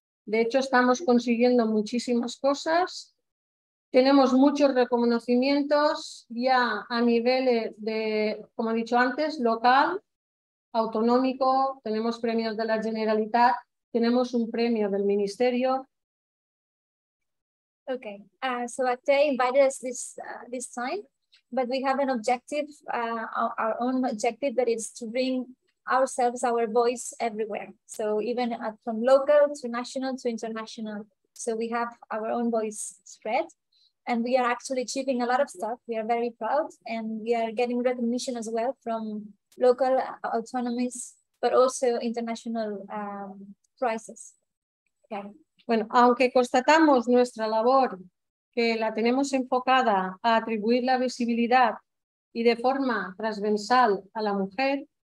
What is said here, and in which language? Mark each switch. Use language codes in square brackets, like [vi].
[es] De hecho, estamos consiguiendo muchísimas cosas. Tenemos muchos reconocimientos ya a nivel de, como he dicho antes, local, autonómico, tenemos premios de la Generalitat, tenemos un premio del Ministerio. [en] Okay, so Actea invited us this time, but we have an objective, our own objective, that is to bring ourselves, our voice everywhere. So even from local to national to international. So we have our own voice spread and we are actually achieving a lot of stuff. We are very proud and we are getting recognition as well from local autonomies, but also international prices. Okay. [es] Bueno, aunque constatamos nuestra labor, que la tenemos enfocada a atribuir la visibilidad y de forma transversal a la mujer.